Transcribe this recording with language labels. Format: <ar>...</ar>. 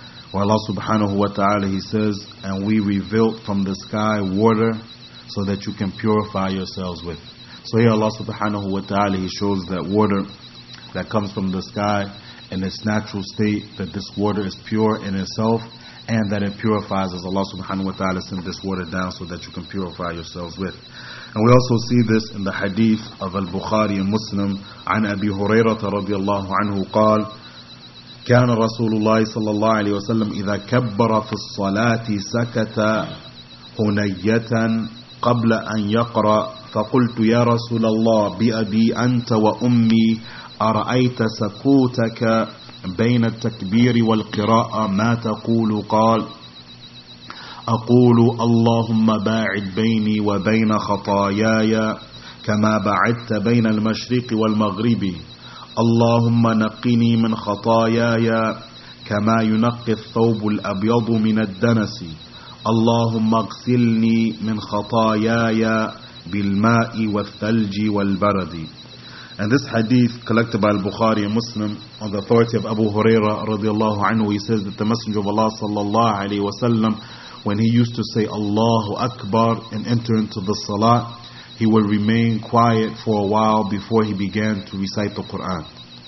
<en>Where Allah subhanahu wa ta'ala, He says, and we revealed from the sky water so that you can purify yourselves with. So here Allah subhanahu wa ta'ala, He shows that water that comes from the sky in its natural state, that this water is pure in itself, and that it purifies, as Allah subhanahu wa ta'ala sent this water down so that you can purify yourselves with. And we also see this in the hadith of Al-Bukhari and Muslim,</en> <ar>عن أبي هريرة رضي الله عنه قال, كان رسول الله صلى الله عليه وسلم إذا كبر في الصلاة سكت هنية قبل أن يقرأ, فقلت يا رسول الله بأبي أنت وأمي أرأيت سكوتك بين التكبير والقراءة ما تقول؟ قال أقول اللهم باعد بيني وبين خطاياي كما بعدت بين المشرق والمغرب, اللهم نقني من خطاياي كما ينقي الثوب الأبيض من الدنس, اللهم اغسلني من خطاياي بالماء والثلج والبرد.</ar> <en>And this hadith collected by Al-Bukhari and Muslim on the authority of Abu Huraira radiallahu anhu, he says that the Messenger of Allah sallallahu alayhi wa sallam, when he used to say Allahu Akbar and enter into the salat, he would remain quiet for a while before he began to recite the Quran.</en>